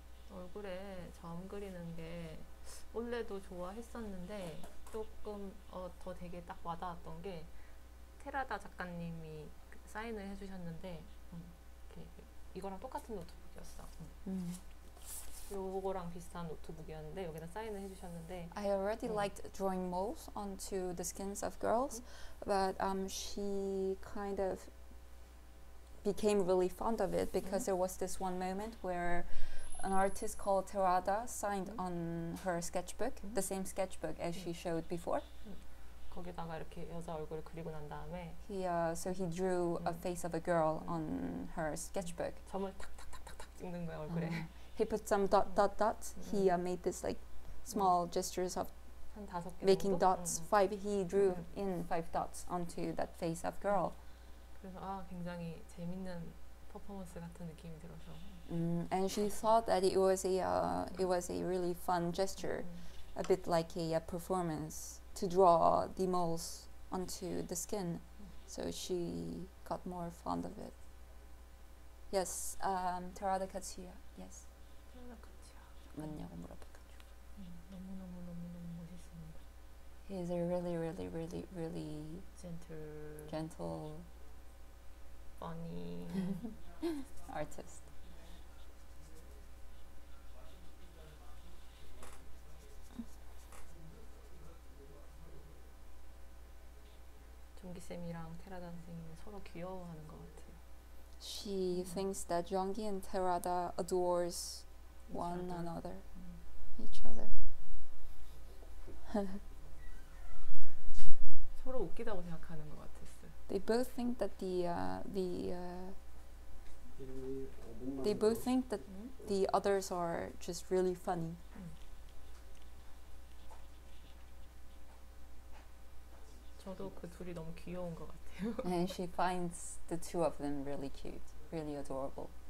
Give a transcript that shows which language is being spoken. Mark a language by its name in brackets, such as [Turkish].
[Korean] 얼굴에 점 그리는 게 원래도 좋아했었는데 조금 더 되게 딱 와닿았던 게 테라다 작가님이 사인을 해주셨는데 이렇게 이거랑 똑같은 노트북이었어. 요거랑 비슷한 노트북이었는데 여기다 사인을 해주셨는데 [English] I already liked drawing moles onto the skins of girls but she kind of became really fond of it because there was this one moment where an artist called Terada signed on her sketchbook the same sketchbook as she showed before [Korean] 거기다가 이렇게 여자 얼굴을 그리고 난 다음에 [English] he, so he drew a face of a girl on her sketchbook [Korean] 점을 탁탁탁탁탁 찍는 거야 얼굴에 [English] He put some dot dot dots. He made this like small gestures of making dots. Five. He drew in five dots onto that face of girl. [Korean] 그래서 아 굉장히 재밌는 퍼포먼스 같은 느낌이 들어서. [English] And she thought that it was a really fun gesture, a bit like a performance to draw the moles onto the skin. So she got more fond of it. Yes. Terada Katsuya. Yes. [Korean] 맞냐고 물어봐가지고 너무너무너무너무 멋있습니다 [English] He is a really really really really gentle funny artist [Korean] 종기쌤이랑 테라다 선생님은 서로 귀여워하는 것 같아요 [English] She thinks that Jonggi and Terada adores one another each other [Korean] 서로 웃기다고 생각하는 것 같았어요 [English] they both think that the others are just really funny [Korean] 저도 그 둘이 너무 귀여운 것 같아요 [English] and she finds the two of them really cute really adorable